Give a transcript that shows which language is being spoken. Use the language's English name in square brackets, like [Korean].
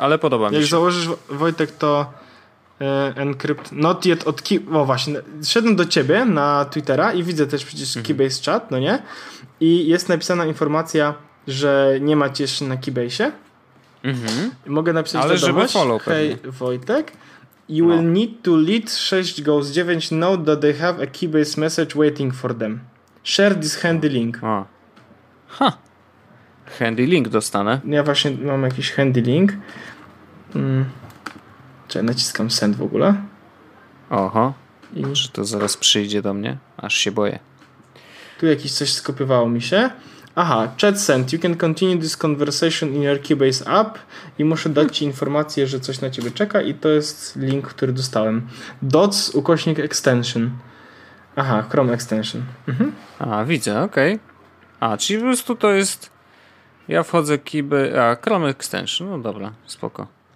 [Polish] ale podoba mi się. Jak założysz Wojtek, to [English] encrypt not yet [Polish] od Keybase. O właśnie, szedłem do ciebie na Twittera i widzę też przecież Keybase chat, no nie? I jest napisana informacja, że nie macie jeszcze na Keybase. Mhm. Mogę napisać ale żeby follow pewnie. [English] Hej Wojtek, you will need to let 6Ghost9 know that they have a Keybase message waiting for them. Share this handy link. [Polish] O. Ha. Handy link dostanę. Ja właśnie mam jakiś handy link. Czy naciskam send w ogóle? Oho. I może to zaraz przyjdzie do mnie? Aż się boję. Tu jakieś coś skopiowało mi się. [English] Aha, chat sent. You can continue this conversation in your Keybase app. [Polish] I muszę dać ci informację, że coś na ciebie czeka. I to jest link, który dostałem. [English] Dots / extension. Aha, Chrome extension. [Polish] Mhm. A, widzę, okej. Okay. A, czyli po prostu to jest... Ja wchodzę Chrome extension, no dobra, spoko.